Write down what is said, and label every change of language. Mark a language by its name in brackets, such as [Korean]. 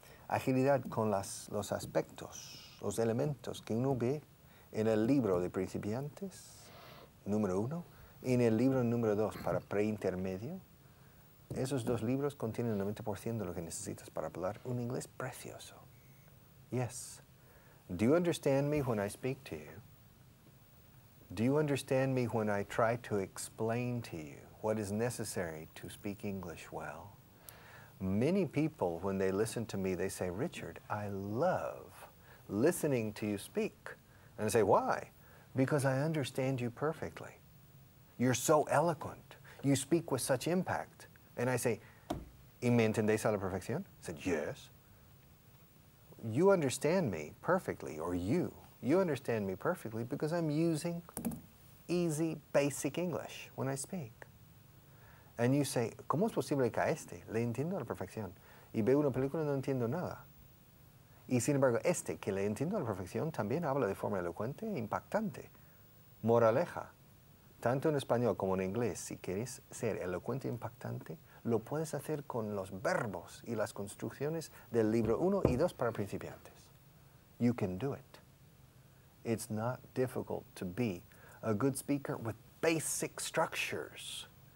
[Spanish] Agilidad con los aspectos, los elementos que uno ve en el libro de principiantes, número uno, y en el libro número dos para preintermedio. Esos dos libros contienen el 90% de lo que necesitas para hablar un inglés precioso. [English] Yes. Do you understand me when I speak to you? Do you understand me when I try to explain to you what is necessary to speak English well? Many people, when they listen to me, they say, Richard, I love listening to you speak. And I say, why? Because I understand you perfectly. You're so eloquent. You speak with such impact. And I say, [Spanish] ¿Y me entendéis a la perfección? [English] I said, yes. You understand me perfectly, or you understand me perfectly because I'm using easy, basic English when I speak. And you say, [Spanish] ¿Cómo es posible que a este le entiendo a la perfección? Y ve una película y no entiendo nada. Y sin embargo, este que le entiendo a la perfección también habla de forma elocuente e impactante. Moraleja, tanto en español como en inglés, si quieres ser elocuente e impactante, lo puedes hacer con los verbos y las construcciones del libro 1 y 2 para principiantes. [English] You can do it. It's not difficult to be a good speaker with basic structures.